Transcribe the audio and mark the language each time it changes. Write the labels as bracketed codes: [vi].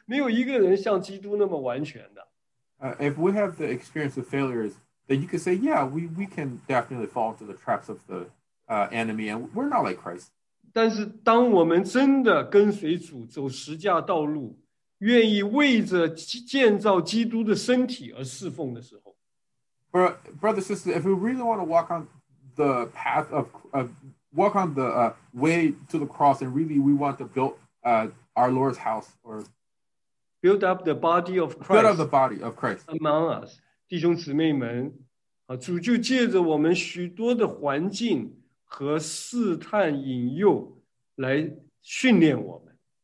[zh] 如果你我有过失败的经验，我们也说绝对会的。我们没有一个人像基督那么完全的。If [en] we have the experience of failures, then you can say, yeah, we can definitely fall into the traps of the enemy, and we're not like Christ. [zh] 但是当我们真的跟随主走十架道路，愿意为着建造基督的身体而侍奉的时候。 [en] Brother, sister, if we really want to walk on the path of walk on the way to the cross, and really we want to build our Lord's house or build up the body of Christ among us, [zh] 弟兄姊妹们，主就借着我们许多的环境和试探引诱来训练我们。